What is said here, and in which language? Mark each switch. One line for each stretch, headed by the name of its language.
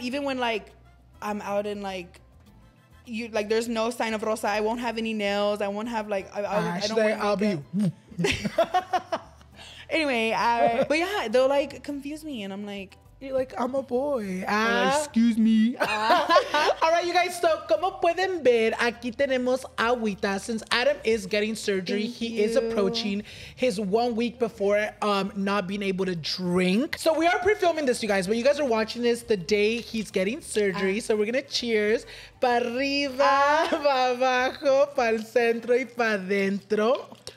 English: Even when like I'm out and like you, like there's no sign of Rosa, I won't have any nails, I won't have like, I'll be you. Anyway, but yeah, they'll like confuse me and I'm like, you're like, I'm a boy. Excuse me. All right, you guys.
Spanish: So, como pueden ver, aquí tenemos agüita.
English: Since Adam is getting surgery, he is approaching his 1 week before not being able to drink. So, we are pre-filming this, you guys. But you guys are watching this the day he's getting surgery. So, we're going to cheers.
Spanish: Pa' arriba, pa' abajo, pa'l centro y pa' dentro.